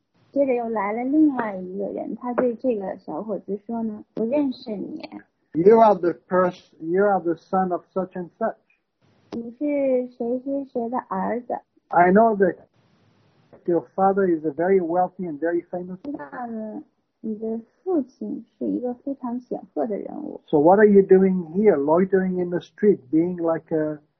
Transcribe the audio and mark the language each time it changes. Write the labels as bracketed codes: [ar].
[zh] 接着又来了另外一个人，他对这个小伙子说呢，我认识你。 [en] You are the son of such and such. [zh] 你是谁谁谁的儿子。 [en] I know that your father is a very wealthy and very famous man. [zh] 你的父亲是一个非常显赫的人物。 [en] So what are you doing here, loitering in the street, being like a...